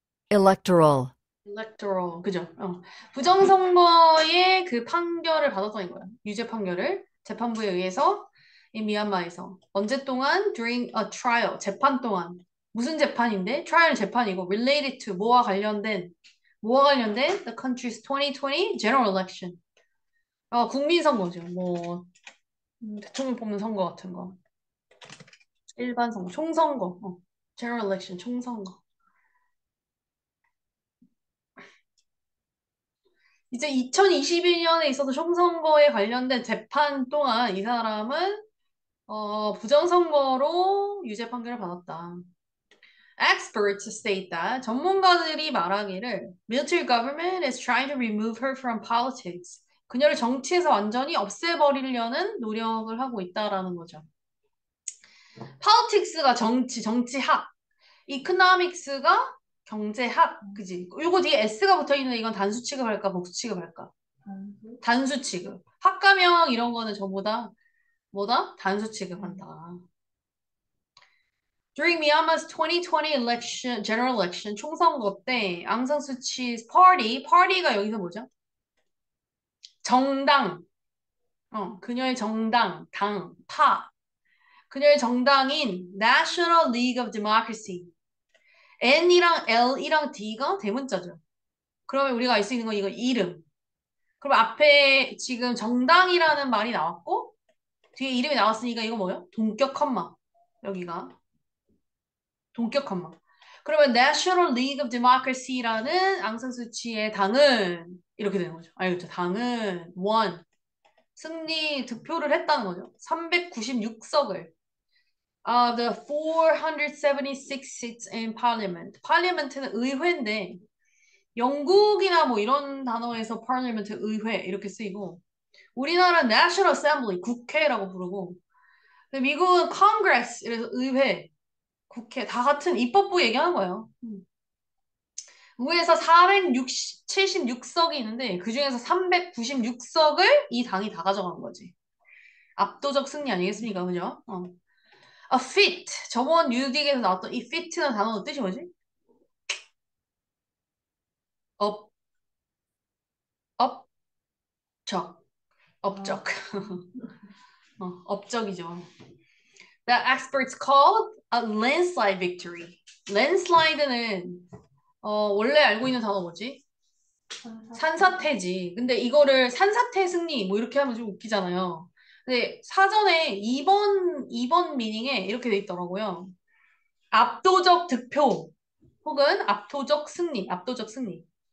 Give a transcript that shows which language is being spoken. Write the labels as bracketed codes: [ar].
[en] Electoral. [ko] electoral 그죠? 부정선거의 그 판결을 받았던 거야. 유죄 판결을 재판부에 의해서 이 미얀마에서 언제 동안 [en] during a trial [ko] 재판 동안 무슨 재판인데? [en] trial 재판이고 related to [ko] 뭐와 관련된 [en] the country's 2020 general election. [ko] 국민 선거죠. 뭐 대통령 뽑는 선거 같은 거. 일반 선거, 총선거. general election 총선거. 이제 2021년에 있어서 총선거에 관련된 재판 동안 이 사람은 부정선거로 유죄 판결을 받았다. [en] Experts state that [ko] 전문가들이 말하기를 [en] military government is trying to remove her from politics. [ko] 그녀를 정치에서 완전히 없애버리려는 노력을 하고 있다라는 거죠. Politics가 정치, 정치학. Economics가 경제학, 그지? 요거 뒤에 S가 붙어 있는데 이건 단수 취급할까, 복수 취급할까? 단수 취급. 학과명 이런 거는 전부 다 뭐다? 단수 취급한다. [en] During Myanmar's 2020 election, general election, 총선거 때 앙상 수치's party가 [ko] 여기서 뭐죠? 정당. 그녀의 정당, 당, 파. 그녀의 정당인 National League of Democracy. N이랑 L이랑 D가 대문자죠. 그러면 우리가 알수 있는 건 이거 이름. 그럼 앞에 지금 정당이라는 말이 나왔고, 뒤에 이름이 나왔으니까 이거 뭐예요? 동격 콤마. 여기가. 동격 콤마. 그러면 National League of Democracy라는 앙상 수치의 당은 이렇게 되는 거죠. 알겠죠? 당은 won. 승리 투표를 했다는 거죠. 396석을. [en] The 476 seats in Parliament. [ko] Parliament는 의회인데 영국이나 뭐 이런 단어에서 Parliament 의회 이렇게 쓰이고 우리나라는 National Assembly 국회라고 부르고 근데 미국은 Congress 이래서 의회 국회 다 같은 입법부 얘기하는 거예요. 의회에서 476석이 있는데 그중에서 396석을 이 당이 다 가져간 거지. 압도적 승리 아니겠습니까? [en] 그죠? A fit. [ko] 저번 뉴딕에서 나왔던 이 fit라는 단어는 뜻이 뭐지? 업적. 업적이죠. [en] The experts called a landslide victory. [ko] Landslide는 원래 알고 있는 단어 뭐지? 산사태지. 근데 이거를 산사태 승리 뭐 이렇게 하면 좀 웃기잖아요. 근데 사전에 2번 미닝에 이렇게 돼 있더라고요. 압도적 득표 혹은 압도적 승리, 압도적 승리.